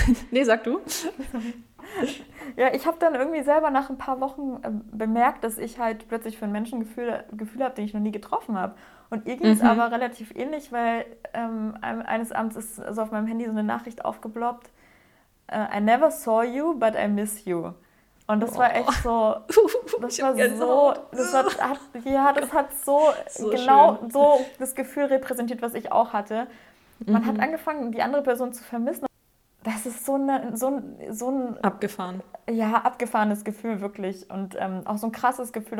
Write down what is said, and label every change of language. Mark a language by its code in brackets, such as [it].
[de] Nee, sag du. Ja, ich habe dann irgendwie selber nach ein paar Wochen bemerkt, dass ich halt plötzlich für einen Menschen Gefühl habe, den ich noch nie getroffen habe. Und ihr ging es aber relativ ähnlich, weil eines Abends ist so auf meinem Handy so eine Nachricht aufgeploppt. [en] I never saw you, but I miss you. [de] Und das war echt so, das war so, das hat, ja, das hat so, so genau schön. So das Gefühl repräsentiert, was ich auch hatte. Man hat angefangen, die andere Person zu vermissen. Das ist so, ein abgefahren. Ja, abgefahrenes Gefühl wirklich. Und auch so ein krasses Gefühl.